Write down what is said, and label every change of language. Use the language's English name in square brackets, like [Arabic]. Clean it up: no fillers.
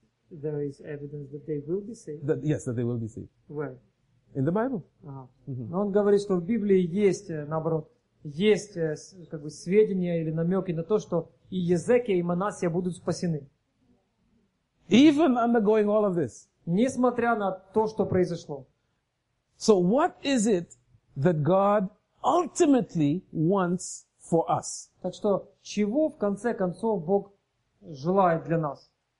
[English] There is evidence that they will be saved. That they will be saved. Where? In the Bible. [Russian] Но он говорит, что в Библии есть, наоборот, есть сведения или намеки на то, что и Езекия, и Манассия будут спасены. [English] Even undergoing all of this. [Russian] Несмотря на то, что произошло. [English] So what is it that God ultimately wants for us? [Russian] Так что, чего в конце концов Бог желает для нас?